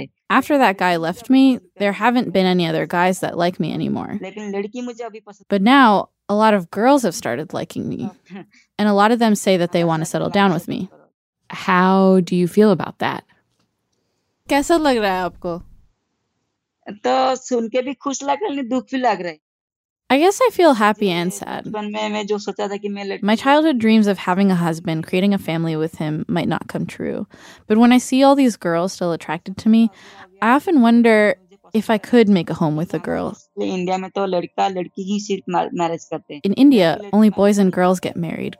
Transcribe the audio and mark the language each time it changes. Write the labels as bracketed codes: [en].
[en] After that guy left me, there haven't been any other guys that like me anymore. But now, a lot of girls have started liking me, and a lot of them say that they want to settle down with me. How do you feel about that? [hi] कैसा लग रहा है आपको? तो सुन के भी खुश लग रहा है नहीं दुख भी लग रहा है. [en] I guess I feel happy and sad. My childhood dreams of having a husband, creating a family with him, might not come true. But when I see all these girls still attracted to me, I often wonder if I could make a home with a girl. In India, only boys and girls get married.